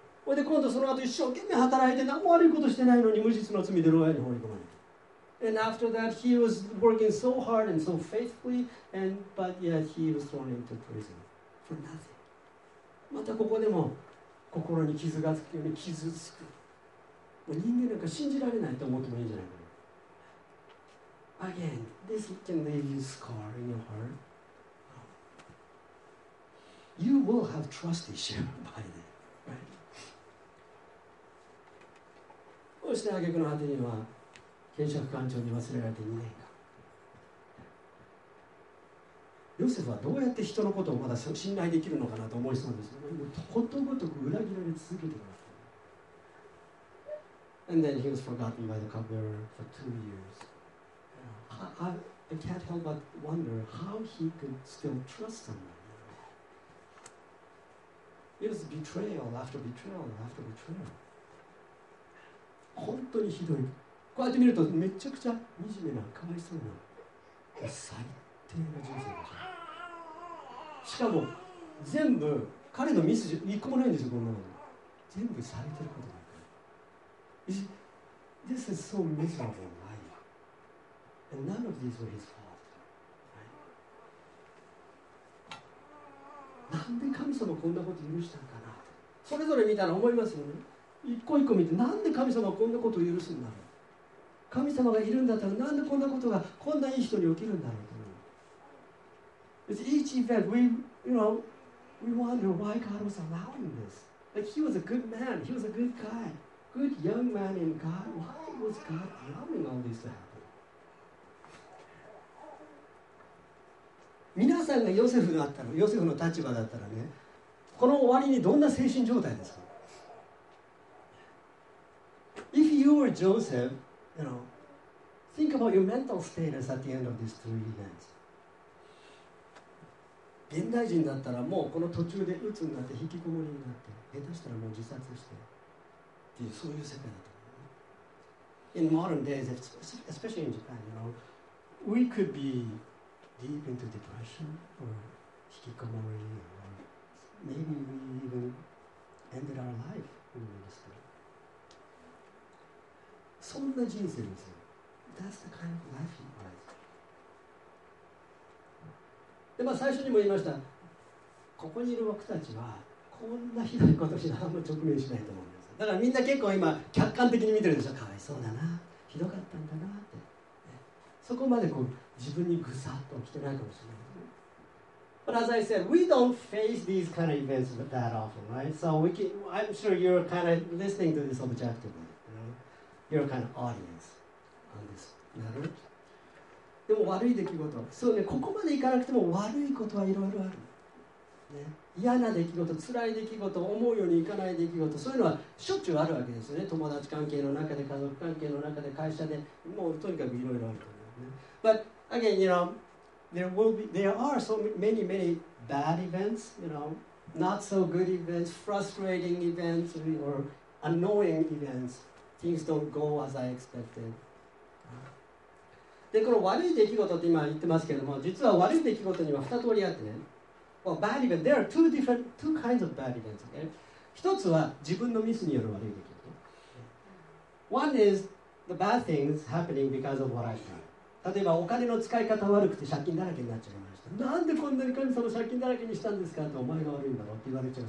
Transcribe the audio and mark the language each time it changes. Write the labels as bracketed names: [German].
[Japanese] それで今度その後一生懸命働いて何も悪いことしてないのに無実の罪で牢屋に放り込まれた。 [English] And after that he was working so hard and so faithfully and but yet he was thrown into prison for nothing. [Japanese] またここでも心に傷がつくように傷つく。もう人間なんか信じられないと思ってもいいんじゃないかな。 [English] Again, this can leave you scar in your heart. You will have trust issue by then. [Japanese] そして挙句の果てには検察官庁に忘れられて2年間。ヨセフはどうやって人のことをまだ信頼できるのかなと思いそうですね。もうことごとく裏切られ続けてます。 [English] And then he was forgotten by the cupbearer for 2 years. I can't help but wonder how he could still trust someone. It was betrayal after betrayal after betrayal. [Japanese] 本当にひどい。こうやって見るとめちゃくちゃ惨めな、かわいそうな、最低な人生でしょ。しかも全部彼のミス一個もないんですよ。こんなの全部されてることだから。 [English] This is so miserable life and none of these were his fault、right? [Japanese] なんで神様こんなこと許したのかな。それぞれ見たら思いますよね。一個一個見て、なんで神様はこんなことを許すんだろう。神様がいるんだったら、なんでこんなことが、こんないい人に起きるんだろう。 [English] It's each event, we, you know, we wonder why God was allowing this. Like, he was a good man, he was a good guy, good young man in God. Why was God allowing all this to happen? [Japanese] 皆さんがヨセフだったら、ヨセフの立場だったらね、この終わりにどんな精神状態ですか。 [English] If you were Joseph, you know, think about your mental status at the end of these three events. [Japanese] 現代人だったらもうこの途中で鬱になって引きこもりになって、下手したらもう自殺してっていう、そういう世界だと思う。 [English] In modern days, especially in Japan, you know, we could be deep into depression or 引きこもり or maybe we even ended our life in ministry. [Japanese] そんな人生ですよ。 [English] That's the kind of life he was. [Japanese] で、まあ最初にも言いました。ここにいる僕たちはこんなひどいことしかあんま直面しないと思うんです。だからみんな結構今客観的に見てるでしょ。かわいそうだな、ひどかったんだなって。そこまでこう自分にぐさっと来てないかもしれない。 [English] But as I said, we don't face these kind of events that often, right? So we can, I'm sure you're kind of listening to this objectively. Your kind of audience on this matter. [Japanese] でも悪い出来事、そうね、ここまで行かなくても悪いことはいろいろある、ね。嫌な出来事、辛い出来事、思うようにいかない出来事、そういうのはしょっちゅうあるわけですよね。友達関係の中で、家族関係の中で、会社で、もうとにかくいろいろあると思う、ね。 [English] But again, you know, there are so many, many bad events, you know, not so good events, frustrating events, or annoying events. Things don't go as I expected. [Japanese] で、この悪い出来事って今言ってますけれども、実は悪い出来事には2通りあってね。 [English] Well, bad event. There are two different, two kinds of bad events. Okay? [Japanese] 一つは自分のミスによる悪い出来事。 [English] One is the bad things happening because of what I've done. [Japanese] 例えばお金の使い方悪くて借金だらけになっちゃいました。なんでこんなに神様借金だらけにしたんですかって、お前が悪いんだろうって言われちゃう。